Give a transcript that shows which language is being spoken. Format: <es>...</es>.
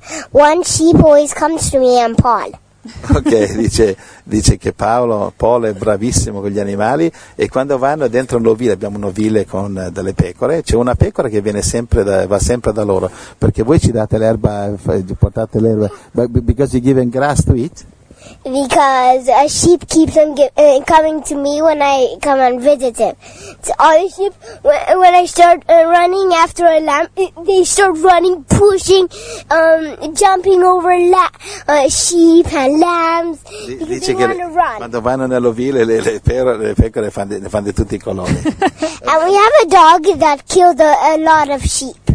<en>One sheep always comes to me and Paul.</en> <it>Ok, dice che Paolo è bravissimo con gli animali e quando vanno dentro un ovile, abbiamo un ovile con delle pecore, c'è una pecora che va sempre da loro, perché voi ci date l'erba, portate l'erba,</it> <en>because you give them grass to eat? Because a sheep keeps on coming to me when I come and visit him. So all sheep, when I start running after a lamb, they start running, pushing, jumping over sheep and lambs. Dice they want to run.</en> <it>Quando vanno nell'ovile, le pecore ne fanno di tutti i colori.</it> <en>And we have a dog that killed a lot of sheep.</en>